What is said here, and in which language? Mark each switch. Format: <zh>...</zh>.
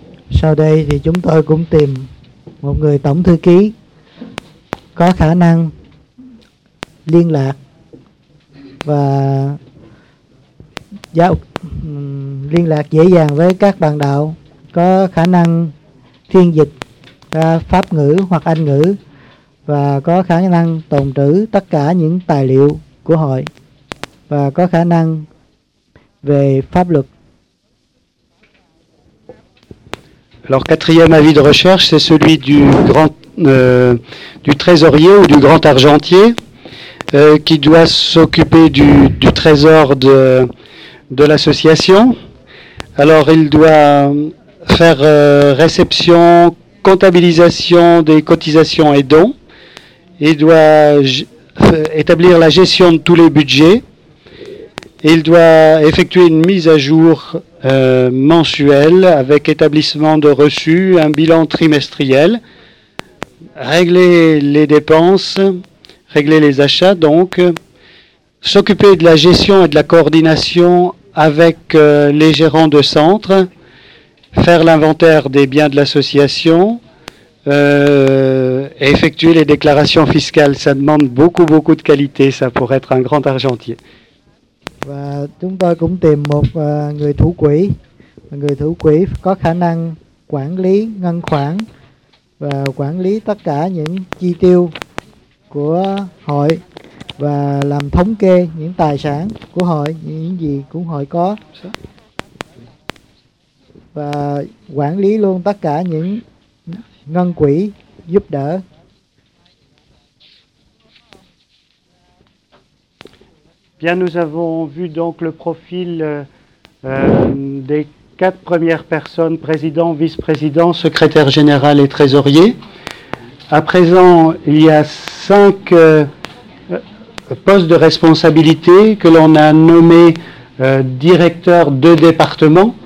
<vi>Sau đây thì chúng tôi cũng tìm một người tổng thư ký có khả năng liên lạc và giao liên lạc dễ dàng với các bạn đạo có khả năng phiên dịch ra pháp ngữ hoặc anh ngữ và có khả năng tồn trữ tất cả những tài liệu của hội và có khả năng về pháp luật.</vi> <fr>Alors, quatrième avis de recherche, c'est celui du grand du trésorier ou du grand argentier qui doit s'occuper du trésor de l'association. Alors, il doit faire réception, comptabilisation des cotisations et dons. Il doit établir la gestion de tous les budgets. Il doit effectuer une mise à jour mensuelle avec établissement de reçus, un bilan trimestriel, régler les dépenses, régler les achats, donc s'occuper de la gestion et de la coordination avec les gérants de centre, faire l'inventaire des biens de l'association, effectuer les déclarations fiscales. Ça demande beaucoup, beaucoup de qualité, ça, pour être un grand argentier.</fr> <vi>Và chúng tôi cũng tìm một người thủ quỹ. Người thủ quỹ có khả năng quản lý ngân khoản và quản lý tất cả những chi tiêu của hội và làm thống kê những tài sản của hội, những gì của hội có. Và quản lý luôn tất cả những ngân quỹ giúp đỡ.</vi> <fr>Bien, nous avons vu donc le profil des quatre premières personnes, président, vice-président, secrétaire général et trésorier. À présent, il y a cinq postes de responsabilité que l'on a nommés directeur de département.</fr>